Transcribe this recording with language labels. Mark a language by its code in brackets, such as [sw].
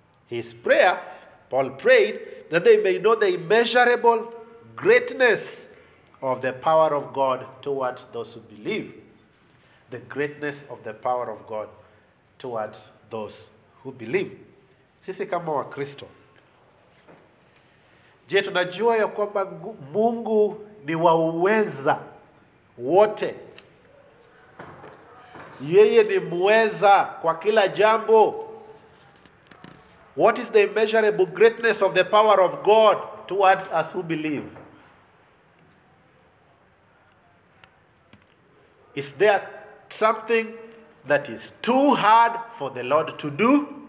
[en] His prayer, Paul prayed, that they may know the immeasurable greatness of the power of God towards those who believe. The greatness of the power of God towards those who believe. [sw] Sisi kama wa Kristo. Je, tunajua ya kwamba Mungu ni wa uweza wote. Yeye ni muweza kwa kila jambo. [en] What is the immeasurable greatness of the power of God towards us who believe? Is there something that is too hard for the Lord to do?